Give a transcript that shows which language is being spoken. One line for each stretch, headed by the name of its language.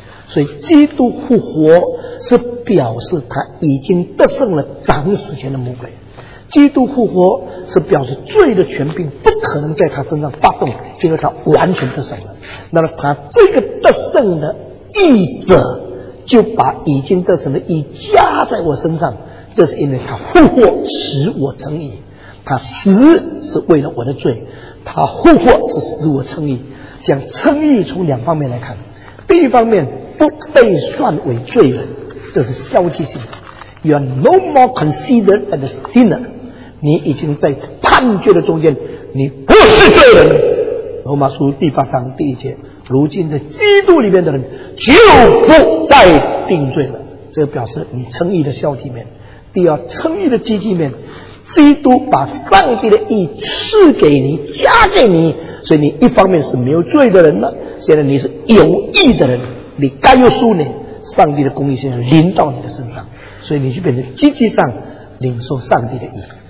Chinese: 所以基督复活是表示他已经得胜了掌死权的魔鬼，基督复活是表示罪的权柄不可能在他身上发动，因为他完全得胜了。那么他这个得胜的义者就把已经得胜的义加在我身上，这是因为他复活使我成义，他死是为了我的罪，他复活是使我成义。讲成义从两方面来看，第一方面不被算为罪人，这是消极性的。
English: You are no more considered as a sinner，
Chinese: 你已经在判决的中间，你不是罪人，罗马书第八章第一节，如今在基督里面的人就不再定罪了。这个表示你称义的消极面。第二，称义的积极面，基督把上帝的义赐给你，加给你，所以你一方面是没有罪的人了，现在你是有义的人，你该有数年上帝的公义现在临到你的身上，所以你就变成积极上领受上帝的义。